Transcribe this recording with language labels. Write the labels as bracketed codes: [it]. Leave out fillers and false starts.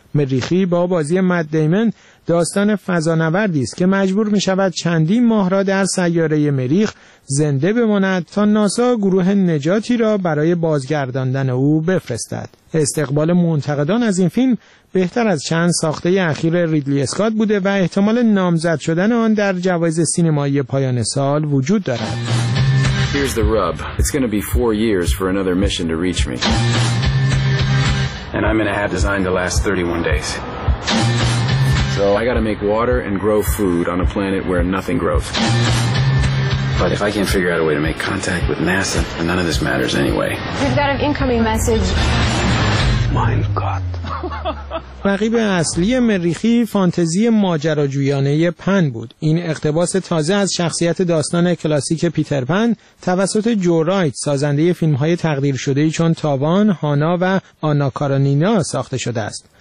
[fa] مریخی با بازی مد دیمن داستان فضانوردی است که مجبور می شود چندین ماه را در سیاره مریخ زنده بماند تا ناسا گروه نجاتی را برای بازگرداندن او بفرستد. استقبال منتقدان از این فیلم بهتر از چند ساخته اخیر ریدلی اسکات بوده و احتمال نامزد شدن آن در جوایز سینمایی پایان سال وجود دارد. [en] Here's the rub. It's going to be 4 years for another mission to reach me. And I'm in a hat designed to last 31 days. So I gotta make water and grow food on a planet where nothing grows. But if I can't figure out a way to make contact with NASA, then none of this matters anyway. We've got an incoming message. [de] Mein Gott. [fa] رقیب اصلی مریخی فانتزی ماجراجویانه پن بود. این اقتباس تازه از شخصیت داستان کلاسیک پیتر پن توسط جو رایت، سازنده فیلم‌های تقدیر شده چون تاوان، هانا و آنا کارانینا ساخته شده است.